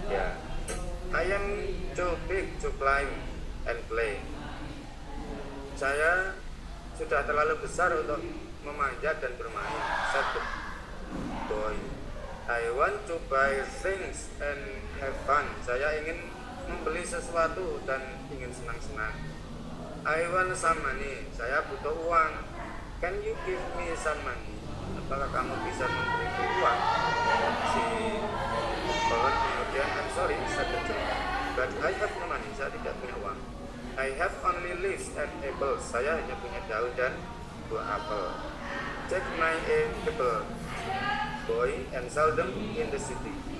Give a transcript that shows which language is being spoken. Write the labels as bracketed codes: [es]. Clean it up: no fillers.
[en] Yeah. I am too big to climb and play. [id] Saya sudah terlalu besar untuk memanjat dan bermain. Satu, [en] boy. I want to buy things and have fun. [id] Saya ingin membeli sesuatu dan ingin senang-senang. [en] I want some money. [id] Saya butuh uang. [en] Can you give me some money? [id] Apakah kamu bisa memberiku uang? Si pohon kemudian, [en] "I'm sorry," said the tree, "but I have no money." [id] Saya tidak punya uang. [en] "I have only leaves and apples." [id] Saya hanya punya daun dan buah apel. [en] "Take my apple, boy, and sell them in the city."